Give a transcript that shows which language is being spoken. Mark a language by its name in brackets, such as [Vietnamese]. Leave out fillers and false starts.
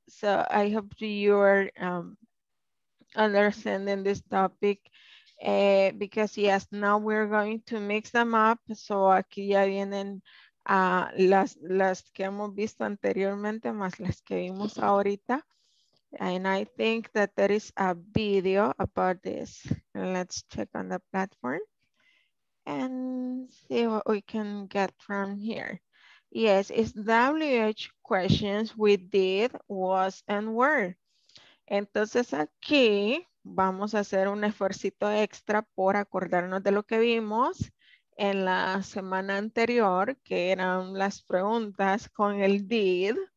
[English] So I hope you're understanding this topic because yes, now we're going to mix them up. [Spanish] So aquí ya vienen las que hemos visto anteriormente más las que vimos ahorita. [English] And I think that there is a video about this. Let's check on the platform and see what we can get from here. Yes, it's WH questions with did, was, and were. [Spanish] Entonces aquí vamos a hacer un esfuerzo extra por acordarnos de lo que vimos en la semana anterior, que eran las preguntas con el did.